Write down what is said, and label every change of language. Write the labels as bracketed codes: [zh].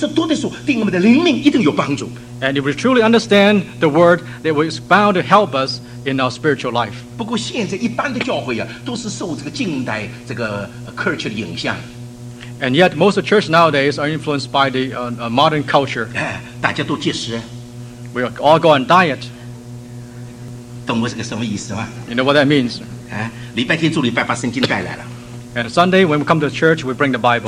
[zh] 我们正是懂得他的话，每一次读的时候，对我们的灵命一定有帮助。 [en] And if we truly understand the word, it is bound to help us in our spiritual life. [zh] 不过现在一般的教会啊，都是受这个近代这个 [en] culture [zh] 的影响。 [en] And yet most of the church nowadays are influenced by the modern culture. [zh] 大家都戒食。 [en] We all go on diet. [zh] 懂我这个什么意思吗? [en] You know what that means? [zh] 礼拜天主礼拜把圣经带来了。 [en] And Sunday, when we come to church, we bring the Bible.